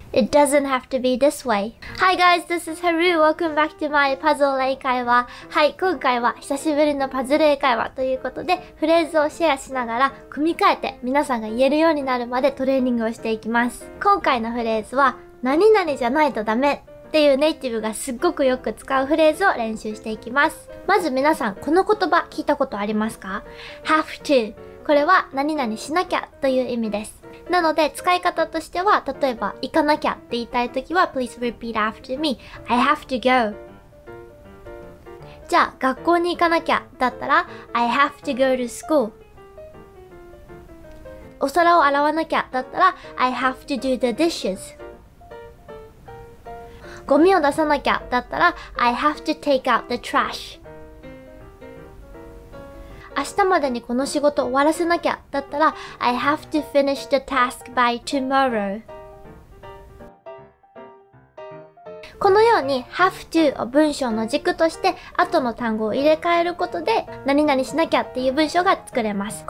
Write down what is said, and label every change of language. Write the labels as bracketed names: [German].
[English] It doesn't have to be this way. Hi guys, this is Haru. Welcome back to my puzzle 英会話。 [Japanese] はい、今回は久しぶりのパズル英会話ということで、フレーズをシェアしながら組み替えて皆さんが言えるようになるまでトレーニングをしていきます。今回のフレーズは、何々じゃないとダメっていうネイティブがすっごくよく使うフレーズを練習していきます。まず皆さん、この言葉聞いたことありますか？ [English] Have to。 [Japanese] これは何々しなきゃという意味です。なので使い方としては、例えば行かなきゃって言いたいときは [English] Please repeat after me. I have to go. [Japanese] じゃあ学校に行かなきゃだったら [English] I have to go to school. [Japanese] お皿を洗わなきゃだったら [English] I have to do the dishes. [Japanese] ゴミを出さなきゃだったら [English] I have to take out the trash. [Japanese] 明日までにこの仕事終わらせなきゃだったら [English] I have to finish the task by tomorrow。 [Japanese] このように have to を文章の軸として後の単語を入れ替えることで何々しなきゃっていう文章が作れます。